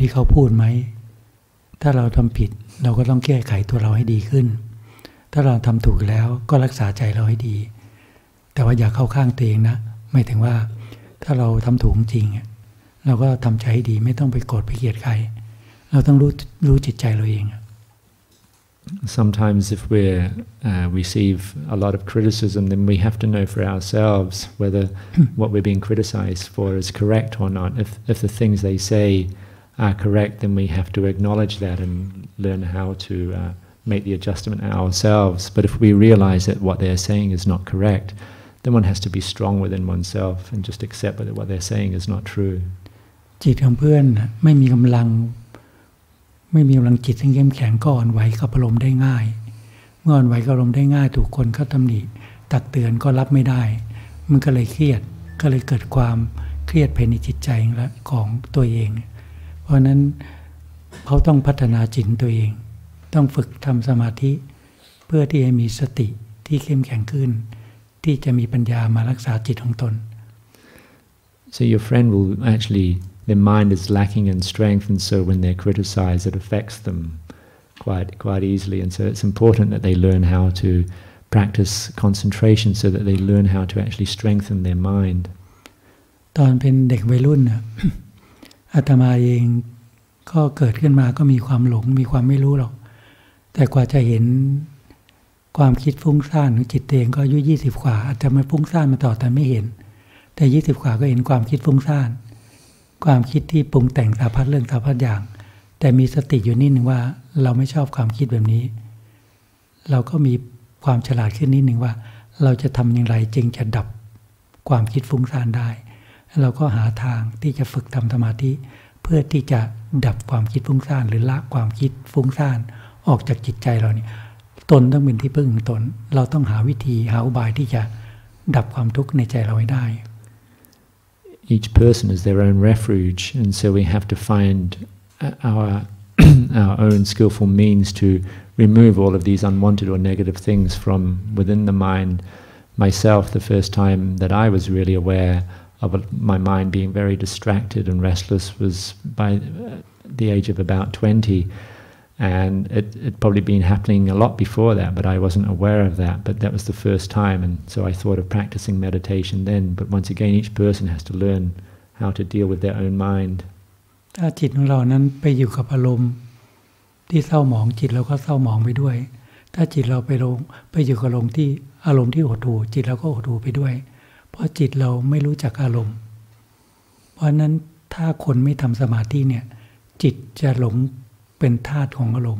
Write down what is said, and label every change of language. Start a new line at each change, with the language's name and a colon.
Thai: บางครั้งเราก็ต้องมาดูตัวเองด้วยว่าคนอื่นเขาติเตียนเราหรือว่าว่ากล่าวเราเราต้องเปิดใจให้กว้างต้องมาดูตัวเราว่าเราทำผิดแบบที่เขาพูดไหมถ้าเราทำผิด เราก็ต้องแก้ไขตัวเราให้ดีขึ้นถ้าเราทำถูกแล้วก็รักษาใจเราให้ดีแต่ว่าอย่าเข้าข้างตัวเองนะหมายถึงว่าถ้าเราทำถูกจริงเราก็ทำใจให้ดีไม่ต้องไปโกรธไปเกลียดใครเราต้องรู้จิตใจเราเอง
English: Sometimes if we receive a lot of criticism then we have to know for ourselves whether what we're being criticized for is correct or not if the things they say are correct, then we have to acknowledge that and learn how to make the adjustment ourselves. But if we realize that what they're saying is not correct, then one has to be strong within oneself and just accept that what they're saying is not true.
Thai: จิตของเพื่อนไม่มีกำลังไม่มีกำลังจิตทั้งเข้มแข็งก็อ่อนไหวกับอารมณ์ได้ง่ายเมื่ออ่อนไหวกับอารมณ์ได้ง่ายถูกคนเข้าตำหนิตักเตือนก็รับไม่ได้มันก็เลยเครียดก็เลยเกิดความเครียดภายในจิตใจของตัวเองเพราะนั้นเขาต้องพัฒนาจิตตัวเองต้องฝึกทำสมาธิเพื่อที่จะมีสติที่เข้มแข็งขึ้นที่จะมีปัญญามารักษาจิตของตน
English: So your friend will actually their mind is lacking in strength and so when they're criticized it affects them quite easily and so it's important that they learn how to practice concentration so that they learn how to actually strengthen their mind
Thai: ตอนเป็นเด็กวัยรุ่นน่ะอาตมาเองก็เกิดขึ้นมาก็มีความหลงมีความไม่รู้หรอกแต่กว่าจะเห็นความคิดฟุ้งซ่านของจิตเองก็อายุ20กว่าอาจจะไม่ฟุ้งซ่านมาต่อแต่ไม่เห็นแต่20กว่าก็เห็นความคิดฟุ้งซ่านความคิดที่ปรุงแต่งสารพัดเรื่องสารพัดอย่างแต่มีสติอยู่นิดนึงว่าเราไม่ชอบความคิดแบบนี้ เราก็มีความฉลาดขึ้นนิดนึงว่าเราจะทำอย่างไรจึงจะดับความคิดฟุ้งซ่านได้เราก็หาทางที่จะฝึกทำสมาธิเพื่อที่จะดับความคิดฟุ้งซ่านหรือละความคิดฟุ้งซ่านออกจากจิตใจเราเนี่ยตนต้องเป็นที่พึ่งของตนเราต้องหาวิธีหาอุบายที่จะดับความทุกข์ในใจเราให้ได้
English: Each person is their own refuge, and so we have to find our our own skillful means to remove all of these unwanted or negative things from within the mind. Myself, the first time that I was really aware of my mind being very distracted and restless was by the age of about 20, and it probably been happening a lot before that, but I wasn't aware of that, but that was the first time, and so I thought of practicing meditation then, but once again, each person has to learn how to deal with their own mind.
Thai: ถ้าจิตของเรานั้นไปอยู่กับอารมณ์ที่เศร้าหมองจิตเราก็เศร้าหมองไปด้วยถ้าจิตเราไปอยู่กับอารมณ์ที่หดหู่จิตเราก็หดหู่ไปด้วยเพราะจิตเราไม่รู้จักอารมณ์เพราะนั้นถ้าคนไม่ทำสมาธิเนี่ยจิตจะหลงเป็นธาตุของอารม